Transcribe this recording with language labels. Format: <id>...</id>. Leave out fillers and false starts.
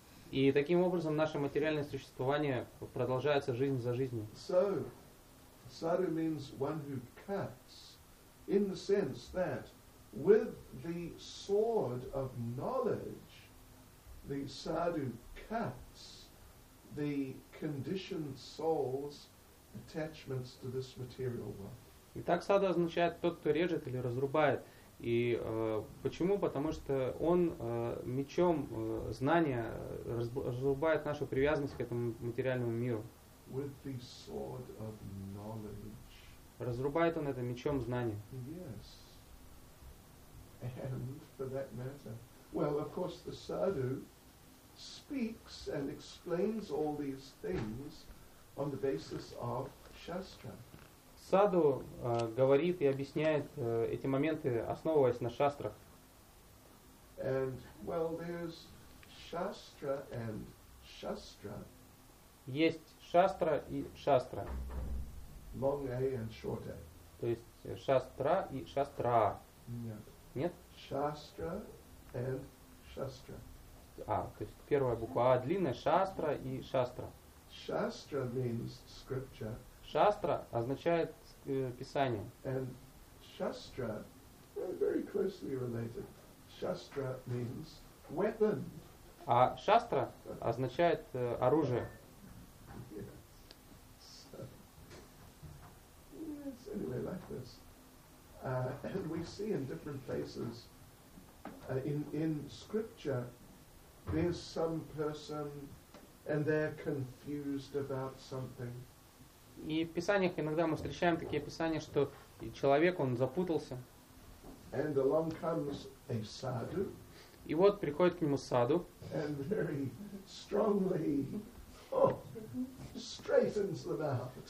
<ru>И таким образом наше материальное существование продолжается жизнь за жизнью.</ru> <en>So, sadhu means one who cuts, in the sense that with the sword of knowledge, the sadhu cuts the conditioned souls. Attachments to this material world.</en> <ru>Итак, сада означает тот, кто режет или разрубает. И почему? Потому что он мечом знания разрубает нашу привязанность к этому материальному миру.</ru> <en>With the sword of knowledge.</en> <ru>Разрубает он это мечом знания.</ru> <en>Yes. And for that matter, well, of course, the sadhu speaks and explains all these things on the basis of shastra.</en> <ru>Саду говорит и объясняет эти моменты, основываясь на шастрах.</ru> <en>And well, there's shastra and shastra.</en> <ru>Есть шастра и шастра.</ru> <en>Long A and short A.</en> <ru>То есть шастра и шастра. Нет. Нет?</ru> <en>Shastra and shastra.</en> <ru>А, то есть первая буква А длинная, шастра и шастра.</ru> <en>Shastra means scripture.</en> <ru>Шастра означает писание.</ru> <en>And shastra, very closely related. Shastra means weapon.</en> <ru>А шастра означает оружие.</ru> <en>Yes. So, yes, anyway, like this. And we see in different places in scripture there's some person and they're confused about something.</en> <ru>И в писаниях иногда мы встречаем такие писания, что человек, он запутался.</ru> <en>And along comes a sadhu.</en> <ru>И вот приходит к нему саду.</ru> <en>And very strongly, straightens them out.</en>